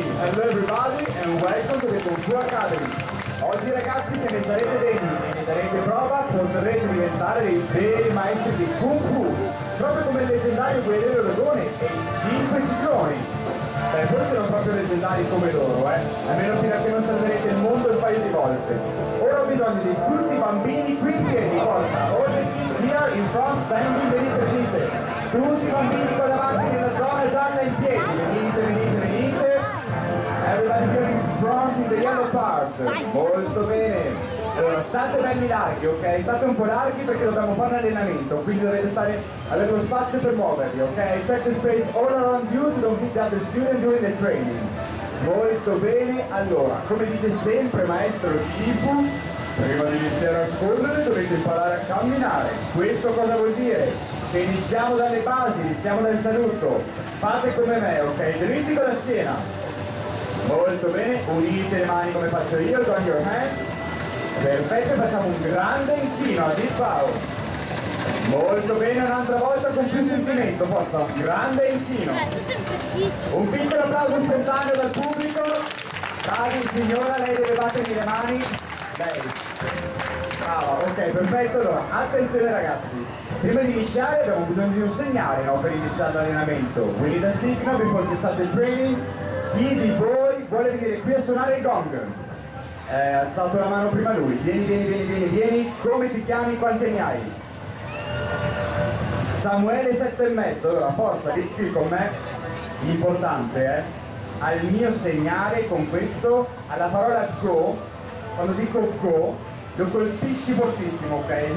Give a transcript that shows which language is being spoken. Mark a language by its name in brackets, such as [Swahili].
[English] Hello everybody and welcome to the Kung Fu Academy. [Italian] Oggi ragazzi se ne sarete degni e ne darete prova potrete diventare dei veri maestri di Kung Fu, proprio come il leggendario Guerriero Dragone e i 5 Cicloni. Beh, forse non proprio leggendari come loro, eh? Almeno fino a che non salverete il mondo un paio di volte. Ora ho bisogno di tutti i bambini qui che di volta. Oggi [English] here in front, standing, [Italian] venite, venite. Tutti i bambini qua davanti nella zona gialla in piedi. Venite, venite, venite. [English] Everybody here in front in the yellow part. [Italian] Molto bene. Allora, state belli larghi, ok? State un po' larghi perché dobbiamo fare un allenamento, quindi dovete stare, avere lo spazio per muovervi, ok? [English] Set the space all around you, so don't hit the other student during the training. [Italian] Molto bene, allora, come dice sempre maestro Shifu, prima di iniziare a correre dovete imparare a camminare. Questo cosa vuol dire? Che iniziamo dalle basi, iniziamo dal saluto. Fate come me, ok? Dritti con la schiena. Molto bene, unite le mani come faccio io, [English] join your hands. [Italian] Perfetto, facciamo un grande inchino a [English] Deep Bow. [Italian] Molto bene, un'altra volta con più sentimento, forza. Grande inchino. Un piccolo applauso istantaneo dal pubblico. Cari signora, lei deve battermi le mani. Lei. Brava, ok, perfetto. Allora, attenzione ragazzi. Prima di iniziare abbiamo bisogno di un segnale, no? Per iniziare l'allenamento. [English] We need a signal before you start the training. [Italian] Chi di voi vuole venire qui a suonare il gong? Ha alzato la mano prima lui, vieni, vieni, vieni, vieni, vieni, come ti chiami, quanti anni hai? Samuele 7 e mezzo, allora forza, dici con me, importante, eh? Al mio segnale con questo, alla parola go, quando dico go, lo colpisci fortissimo, ok?